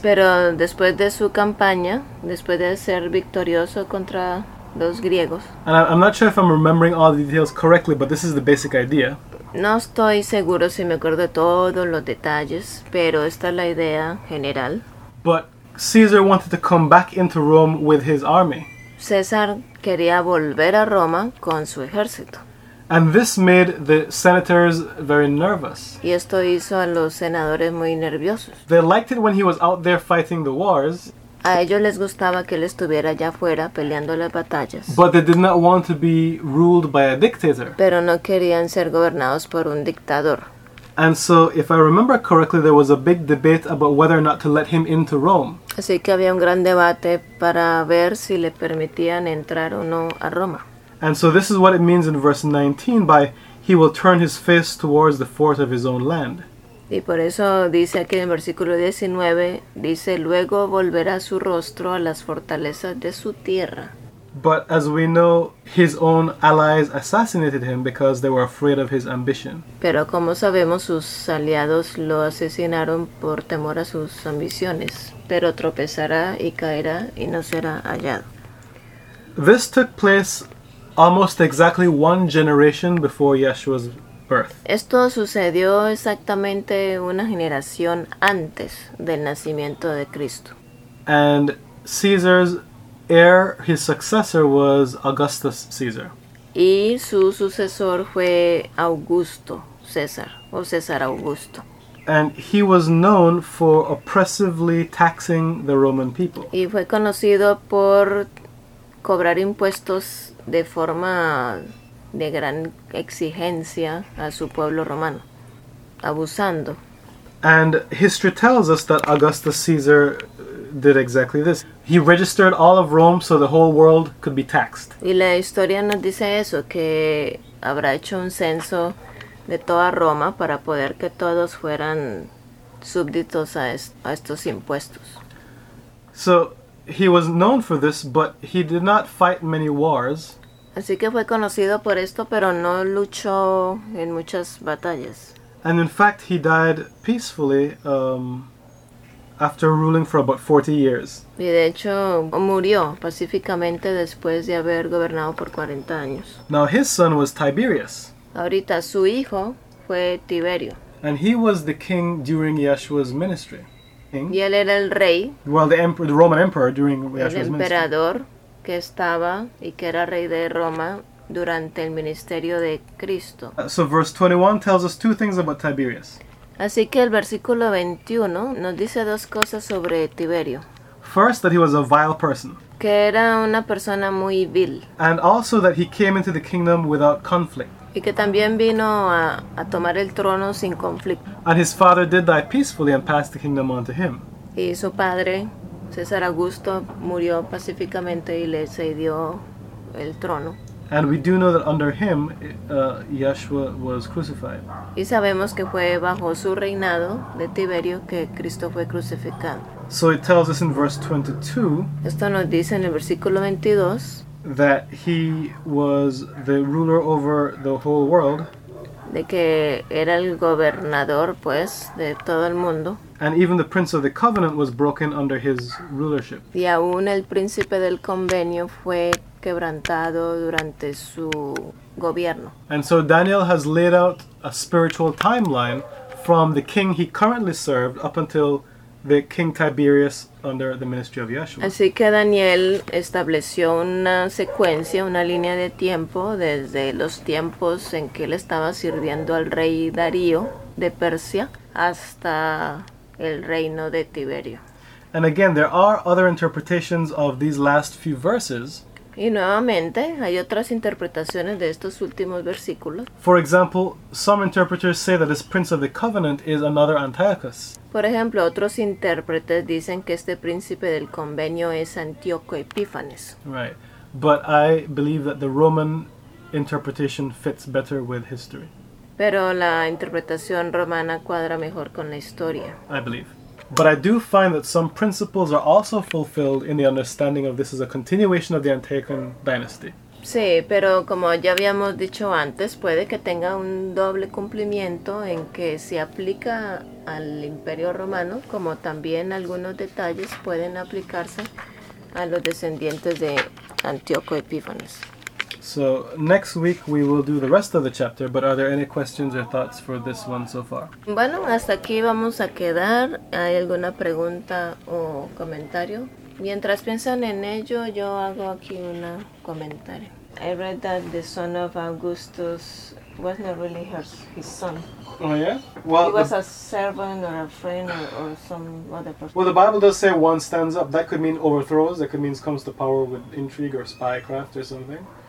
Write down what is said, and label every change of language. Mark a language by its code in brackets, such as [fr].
[es] pero después de su campaña, después de ser victorioso contra los griegos. [en] And I'm not sure if I'm remembering all the details correctly, but this is the basic idea. [es] No estoy seguro si me acuerdo todos los detalles, pero esta es la idea general. [en] But Caesar wanted to come back into Rome with his army. [es] César quería volver a Roma con su ejército. [en] And this made the senators very nervous. [es] Y esto hizo a los senadores muy nerviosos. [en] They liked it when he was out there fighting the wars. [es] A ellos les gustaba que él estuviera allá afuera peleando las batallas. [en] But they did not want to be ruled by a dictator. [es] Pero no querían ser gobernados por un dictador. [en] And so, if I remember correctly, there was a big debate about whether or not to let him into Rome. [es] Así que había un gran debate para ver si le permitían entrar o no a Roma. [en] And so this is what it means in verse 19, by he will turn his face towards the fort of his own land. [es] Y por eso dice aquí en el versículo 19, dice, luego volverá su rostro a las fortalezas de su tierra. [en] But as we know, his own allies assassinated him because they were afraid of his ambition. [es] Pero como sabemos, sus aliados lo asesinaron por temor a sus ambiciones. Pero tropezará y caerá y no será hallado. [en] This took place almost exactly one generation before Yeshua's birth. [es] Esto sucedió exactamente una generación antes del nacimiento de Cristo. [en] And Caesar's heir, his successor, was Augustus Caesar. [es] Y su sucesor fue Augusto César, o César Augusto. [en] And he was known for oppressively taxing the Roman people. [es] Y fue conocido por cobrar impuestos de forma de gran exigencia a su pueblo romano, abusando. [en] And history tells us that Augustus Caesar did exactly this. He registered all of Rome so the whole world could be taxed. [es] Y la historia nos dice eso, que habrá hecho un censo de toda Roma para poder que todos fueran súbditos a estos impuestos. [en] So he was known for this, but he did not fight many wars. [es] Así que fue conocido por esto, pero no luchó en muchas batallas. [en] And in fact, he died peacefully after ruling for about 40 years. [es] Y de hecho, murió pacíficamente después de haber gobernado por 40 años. [en] Now his son was Tiberius. [es] Ahorita su hijo fue Tiberio. [en] And he was the king during Yeshua's ministry. [es] Y él era el rey. [en] Well, the Roman emperor during Yeshua's ministry. [es] El emperador que estaba y que era rey de Roma durante el ministerio de Cristo. [en] So verse 21 tells us two things about Tiberius. [es] Así que el versículo 21 nos dice dos cosas sobre Tiberio. [en] First, that he was a vile person. [es] Que era una persona muy vil. [en] And also that he came into the kingdom without conflict. [es] Y que también vino a tomar el trono sin conflicto. [en] And his father did die peacefully and passed the kingdom on to him. [es] Y su padre César Augusto murió pacíficamente y le cedió el trono. [en] And we do know that under him, Yeshua was crucified. [es] Y sabemos que fue bajo su reinado de Tiberio que Cristo fue crucificado. [en] So it tells us in verse 22. [es] Esto nos dice en el versículo 22. [en] That he was the ruler over the whole world. [es] De que era el gobernador, pues, de todo el mundo. [en] And even the Prince of the Covenant was broken under his rulership. [es] Y aún el Príncipe del Convenio fue quebrantado durante su gobierno. [en] And so Daniel has laid out a spiritual timeline from the king he currently served up until the King Tiberius under the ministry of Yeshua. [es] Así que Daniel estableció una secuencia, una línea de tiempo desde los tiempos en que él estaba sirviendo al rey Darío de Persia hasta el reino de Tiberio. [en] And again, there are other interpretations of these last few verses. [es] Y nuevamente hay otras interpretaciones de estos últimos versículos. [en] For example, some interpreters say that this Prince of the Covenant is another Antiochus. [es] Por ejemplo, otros intérpretes dicen que este príncipe del convenio es Antíoco Epífanes. [en] Right, but I believe that the Roman interpretation fits better with history. [es] Pero la interpretación romana cuadra mejor con la historia. [en] I believe. But I do find that some principles are also fulfilled in the understanding of this as a continuation of the Antiochan dynasty. [es] Sí, pero como ya habíamos dicho antes, puede que tenga un doble cumplimiento en que se aplica al Imperio Romano, como también algunos detalles pueden aplicarse a los descendientes de Antíoco Epífanes. [en] So, next week we will do the rest of the chapter, but are there any questions or thoughts for this one so far? [es] Bueno, hasta aquí vamos a quedar. ¿Hay alguna pregunta o comentario? Mientras piensan en ello, yo hago aquí un comentario. [en] I read that the son of Augustus was not really his son. Oh, yeah? Well, he was a servant or a friend or some other person. Well, the Bible does say one stands up. That could mean overthrows. That could mean comes to power with intrigue or spycraft or something.